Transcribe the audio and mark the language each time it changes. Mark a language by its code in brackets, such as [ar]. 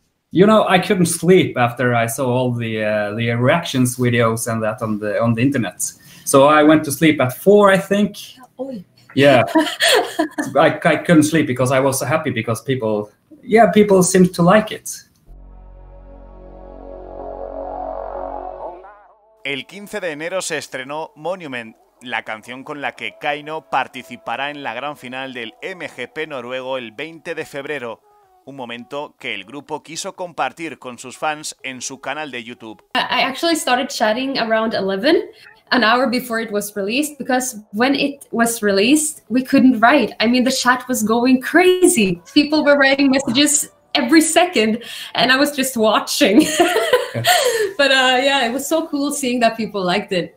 [en] You know, I couldn't sleep after I saw all the reactions videos and that on the internet. So I went to sleep at 4, I think. Oh. Yeah, I couldn't sleep because I was so happy because people seemed to like it. [es] El 15 de enero se estrenó Monument, la canción con la que Kaino participará en la gran final del MGP noruego el 20 de febrero, un momento que el grupo quiso compartir con sus fans en su canal de YouTube. [en] I actually started chatting around 11. An hour before it was released, because when it was released, we couldn't write. I mean, the chat was going crazy. People were writing messages every second, and I was just watching. But yeah, it was so cool seeing that people liked it.